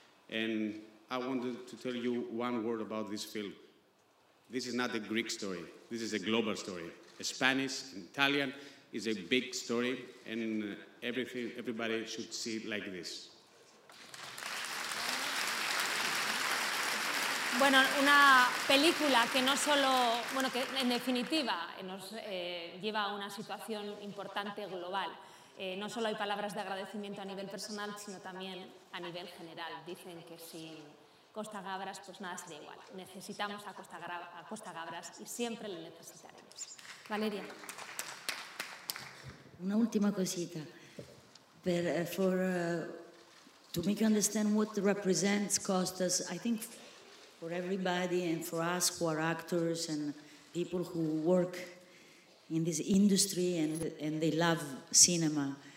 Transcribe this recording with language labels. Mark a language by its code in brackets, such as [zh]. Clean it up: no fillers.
[en] And I wanted to tell you one word about this film. This is not a Greek story. This is a global story. A Spanish, Italian is a big story, and everybody should see it like this. [es] Bueno, una película que no solo, bueno, que en definitiva nos lleva a una situación importante global. No solo hay palabras de agradecimiento a nivel personal, sino también a nivel general. Dicen que sin Costa Gavras, pues nada sería igual. Necesitamos a Costa Gavras y siempre le necesitaremos. Valeria. Una última cosita. [en] To make you understand what represents Costas, I think. For everybody and for us who are actors and people who work in this industry and they love cinema.